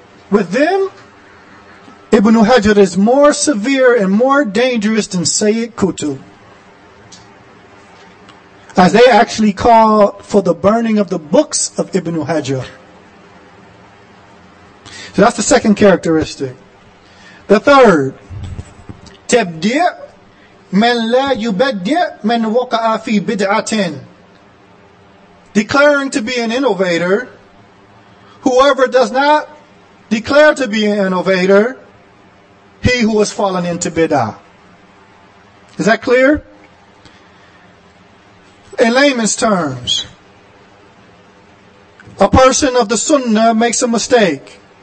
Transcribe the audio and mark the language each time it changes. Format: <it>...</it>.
<en>With them, Ibn Hajar is more severe and more dangerous than Sayyid Qutb. As they actually call for the burning of the books of Ibn Hajar. So that's the second characteristic. The third,</en> <ar>تبديع من لا يبديع من وقع في بدعة.</ar> <en>Declaring to be an innovator, whoever does not declare to be an innovator, he who has fallen into bid'ah. Is that clear? In layman's terms, a person of the sunnah makes a mistake.</en>